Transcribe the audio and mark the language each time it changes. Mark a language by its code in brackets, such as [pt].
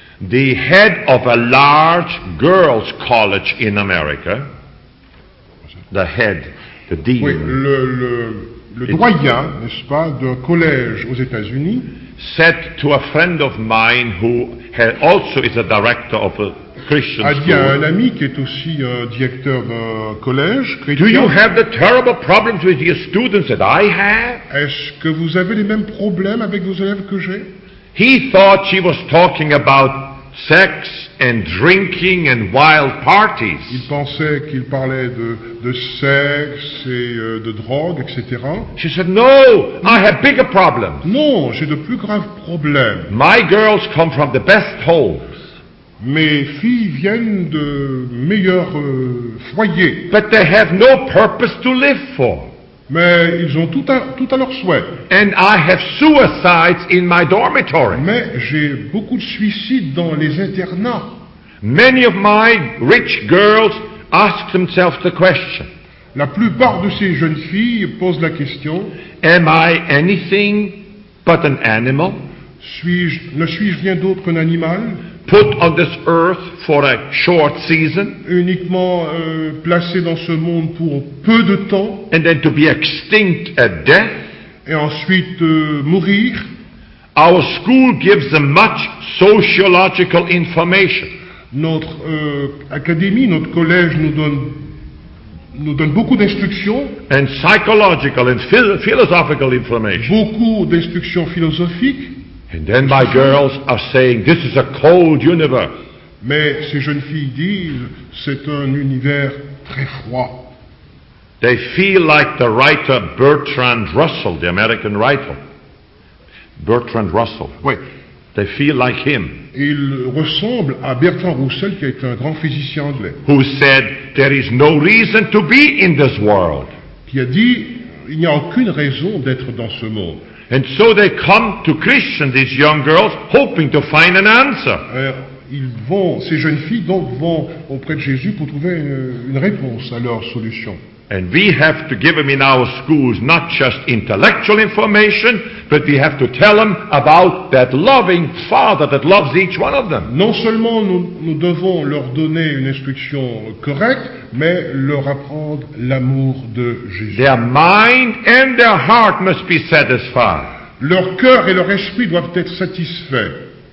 [en] The head of a large girls' college in America, the head, the dean. [fr] Oui, le doyen, n'est-ce pas, d'un collège aux États-Unis. [en] Said to a friend of mine who also is a director of a Christian school. [fr] A dit à un ami qui est aussi directeur d'un collège chrétien. [en] Do you have the terrible problems with your students that I have? [fr] Est-ce que vous avez les mêmes problèmes avec vos élèves que j'ai? [en] He thought she was talking about sex and drinking and wild parties. [fr] Il pensait qu'il parlait de sexe et de drogue, etc. [en] She said, "No, I have bigger problems." [fr] Non, j'ai de plus graves problèmes. [en] My girls come from the best homes. [fr] Mes filles viennent de meilleurs foyers. [en] But they have no purpose to live for. [fr] Mais ils ont tout à leur souhait. [en] And I have suicides in my dormitory. [fr] Mais j'ai beaucoup de suicides dans les internats. [en] Many of my rich girls ask themselves the question. [fr] La plupart de ces jeunes filles posent la question. [en] Am I anything but an animal? [fr] Ne suis-je rien d'autre qu'un animal? [en] Put on this earth for a short season. [fr] Uniquement placé dans ce monde pour peu de temps. [en] And then to be extinct at death. [fr] Et ensuite mourir. [en] Our school gives them much sociological information. [fr] Notre académie, notre collège nous donne beaucoup d'instructions. [en] And psychological and philosophical information. [fr] Beaucoup d'instructions philosophiques. [en] And then my girls are saying, "This is a cold universe." [fr] Mais ces jeunes filles disent, c'est un univers très froid. [en] They feel like the writer Bertrand Russell, the American writer. [fr] Bertrand Russell. Oui. [en] They feel like him. [fr] Il ressemble à Bertrand Russell, qui est un grand physicien anglais. [en] Who said there is no reason to be in this world? [fr] Qui a dit, il n'y a aucune raison d'être dans ce monde. [en] And so they come to Christian, these young girls, hoping to find an answer. [fr] Ces jeunes filles donc vont auprès de Jésus pour trouver une réponse à leur solution. [en] And we have to give them in our schools not just intellectual information, but we have to tell them about that loving Father that loves each one of them. [fr] Non seulement nous devons leur donner une instruction correcte, mais leur apprendre l'amour de Jésus. [en] Their mind and their heart must be satisfied. [fr] Leur cœur et leur esprit doivent être satisfaits.